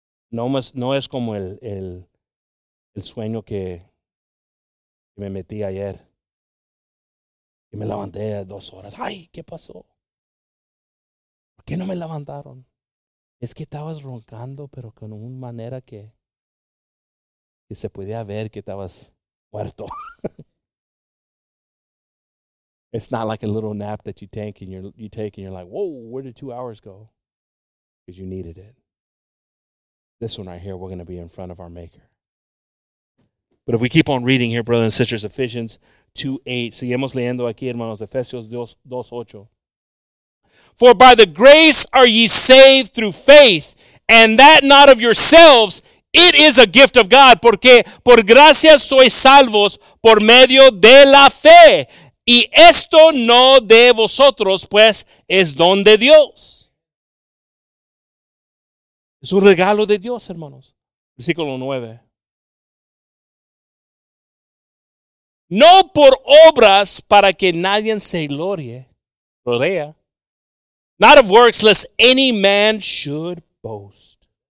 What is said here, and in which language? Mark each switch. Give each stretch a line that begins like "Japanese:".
Spanish: No es como el sueño que me metí ayer. Que me levanté 2 horas. ¡Ay! ¿Qué pasó? ¿Por qué no me levantaron? Es que estabas roncando, pero con una manera que se podía ver que estabas muerto.
English: It's not like a little nap that you take and you're like, whoa, where did 2 hours go? Because you needed it. This one right here, we're going to be in front of our Maker. But if we keep on reading here, brothers and sisters, Ephesians 2:8.
Spanish: Seguimos leyendo aquí, hermanos, Ephesios 2:8.
English: For by the grace are ye saved through faith, and that not of yourselves, it is a gift of God.
Spanish: Porque por gracia sois salvos por medio de la fe. Y esto no de vosotros, pues es don de Dios. Es un regalo de Dios, hermanos. Versículo 9. No por obras para que nadie se glorie. Gloria.
English: Not of works, lest any man should boast.